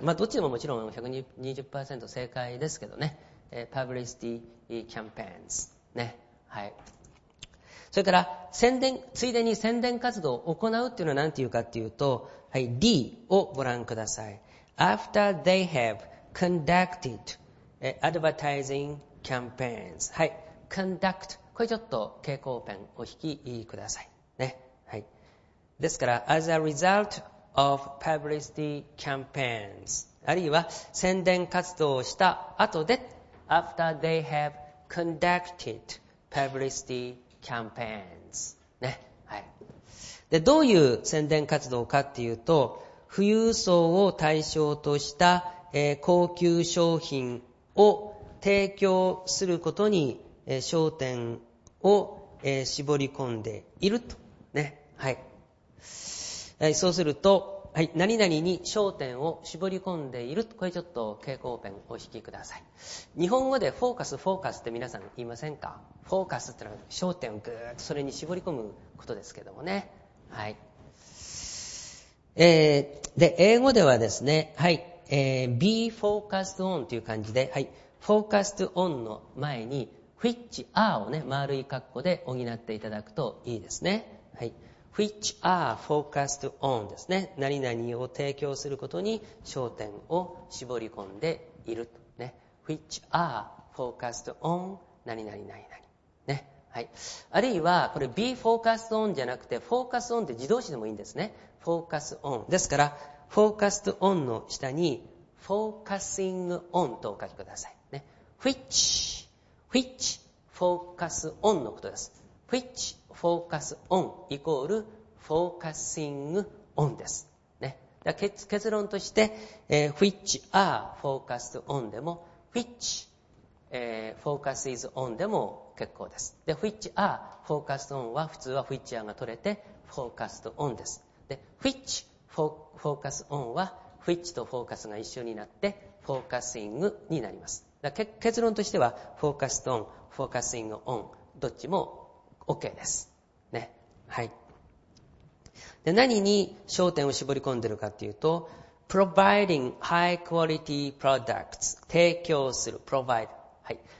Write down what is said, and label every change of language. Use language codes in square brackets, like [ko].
[ja] まあ、どっちももちろん 120% 正解ですけどね。 [en] publicity campaigns。 ね。はい。 [ja] それから宣伝、ついでに宣伝活動を行うというのは何ていうかというと、はい、D をご覧ください。 [en] After they have conducted advertising campaigns。はい、conduct。 [ja] これちょっと蛍光ペンを引きください。 [en] ね、はい、ですから、as a result of publicity campaigns。 [ja] あるいは宣伝活動をした後で、 [en] after they have conducted publicity campaigns [ja] キャンペーンズ、ね、はい、でどういう宣伝活動かっていうと、富裕層を対象とした、高級商品を提供することに、焦点を、絞り込んでいると、ね、はい、そうすると、はい、何々に焦点を絞り込んでいる、これちょっと蛍光ペンをお引きください。日本語でフォーカス、フォーカスって皆さん言いませんか。フォーカスってのは焦点をぐーっとそれに絞り込むことですけどもね。はい。で、英語ではですね、はい、 [en] be focused on [ja] という感じで、はい、focused on の前に [en] which are [ja] をね、丸い括弧で補っていただくといいですね。 [en] はい、which are focused on ですね。 [ja] 何々を提供することに焦点を絞り込んでいる。ね、 [en] which are focused on [ja] 何々何々。ね、はい、あるいはこれ [en] be focused on [ja] じゃなくて [en] focus on [ja] って自動詞でもいいんですね。 [en] focus on [ja] ですから [en] focused on [ja] の下に [en] focusing on [ja] とお書きくださいね。 [en] which focus on のことです。 which focus on [ja] イコール [en] focusing on [ja] です、ね、だ 結論として、 [en] which are focused on [ja] でも [en] which、focus is on [ja] でも結構です。で、 [en] which are focused on [ja] は普通は [en] which are [ja] が取れて [en] focused on [ja] です。で、 [en] which focus on [ja] は which と focus が一緒になって focusing になります。だ結論としては [en] focused on、 focusing on、 [ja] どっちも OK です。ね。はい。で、何に焦点を絞り込んでるかっていうと、 [en] providing high quality products、 [ja] 提供する、provide。はい。